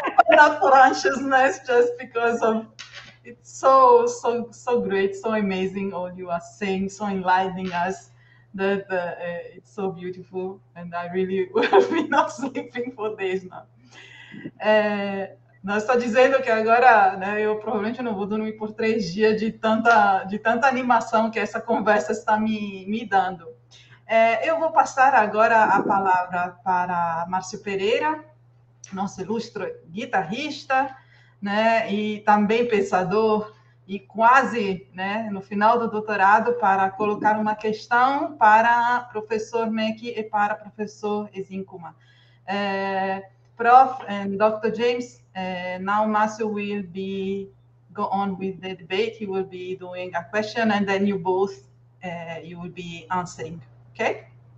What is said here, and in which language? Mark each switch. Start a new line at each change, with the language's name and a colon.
English: Not for anxiousness, just because of it's so great, so amazing. All you are saying, so enlightening us. That it's so beautiful, and I really will be not sleeping for days now.
Portuguese: Nós está dizendo que agora, né, eu provavelmente não vou dormir por 3 dias de tanta animação que essa conversa está me dando. Eu vou passar agora a palavra para Márcio Pereira, nosso ilustre guitarrista, né, e também pensador, e quase, né, no final do doutorado, para colocar uma questão para professor Mack e para professor Ezinkuma.
English: Prof and Dr. James, now Márcio will be go on with the debate. He will be doing a question, and then you both, you will be answering, okay?